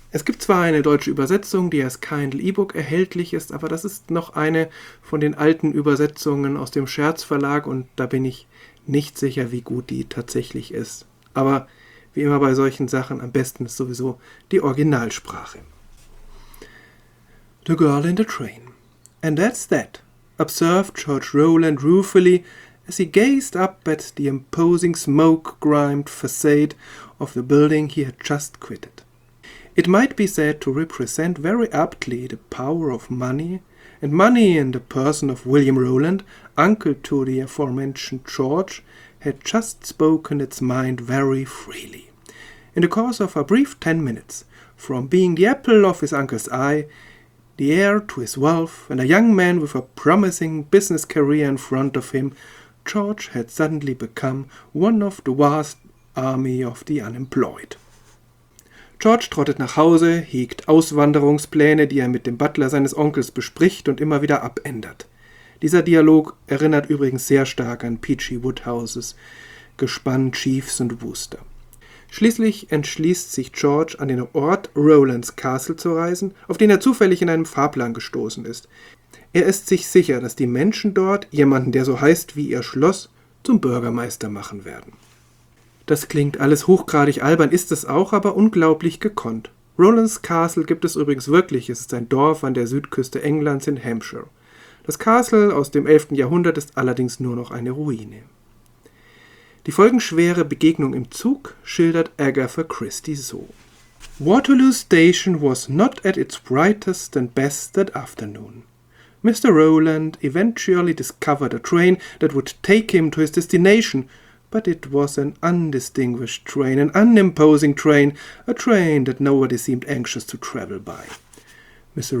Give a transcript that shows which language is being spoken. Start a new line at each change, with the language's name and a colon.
German: Es gibt zwar eine deutsche Übersetzung, die als Kindle E-Book erhältlich ist, aber das ist noch eine von den alten Übersetzungen aus dem Scherzverlag und da bin ich nicht sicher, wie gut die tatsächlich ist. Aber wie immer bei solchen Sachen, am besten ist sowieso die Originalsprache.
English: The girl in the train. And that's that, observed George Rowland ruefully as he gazed up at the imposing smoke-grimed facade of the building he had just quitted. It might be said to represent very aptly the power of money, and money in the person of William Rowland, uncle to the aforementioned George, had just spoken its mind very freely. In the course of a brief 10 minutes, from being the apple of his uncle's eye, the heir to his wealth, and a young man with a promising business career in front of him, George had suddenly become one of the vast army of the unemployed.
German: George trottet nach Hause, hegt Auswanderungspläne, die er mit dem Butler seines Onkels bespricht und immer wieder abändert. Dieser Dialog erinnert übrigens sehr stark an Peachy Woodhouses Gespann Chiefs und Wooster. Schließlich entschließt sich George, an den Ort Rowlands Castle zu reisen, auf den er zufällig in einem Fahrplan gestoßen ist. Er ist sich sicher, dass die Menschen dort jemanden, der so heißt wie ihr Schloss, zum Bürgermeister machen werden. Das klingt alles hochgradig albern, ist es auch, aber unglaublich gekonnt. Rowlands Castle gibt es übrigens wirklich, es ist ein Dorf an der Südküste Englands in Hampshire. Das Castle aus dem 11. Jahrhundert ist allerdings nur noch eine Ruine. Die folgenschwere Begegnung im Zug schildert Agatha Christie so.
English: Waterloo Station was not at its brightest and best that afternoon. Mr. Rowland eventually discovered a train that would take him to his destination, but it was an undistinguished train, an unimposing train, a train that nobody seemed anxious to travel by. Mr.